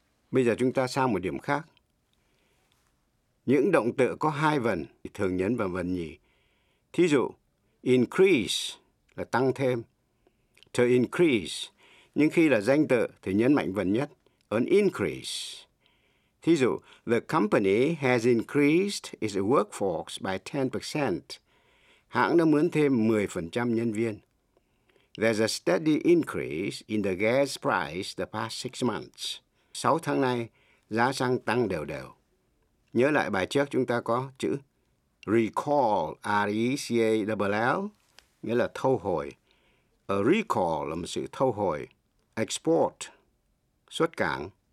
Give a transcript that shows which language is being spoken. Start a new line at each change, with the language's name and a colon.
Vietnamese: Bây giờ chúng ta sang một điểm khác. Những động từ có hai vần thì thường nhấn vào vần nhì. Thí dụ, increase là tăng thêm. To increase, nhưng khi là danh từ thì nhấn mạnh vần nhất.
English: An increase. Thí dụ, the company has increased its workforce by 10%.
Vietnamese: Hãng đã mướn thêm 10% nhân viên.
English: There's a steady increase in the gas price the past 6 months.
Vietnamese: 6 tháng nay, giá xăng tăng đều đều. Nhớ lại bài trước chúng ta có chữ recall, RECALL, nghĩa là thâu hồi. A recall là một sự thâu hồi. Export, xuất cảng.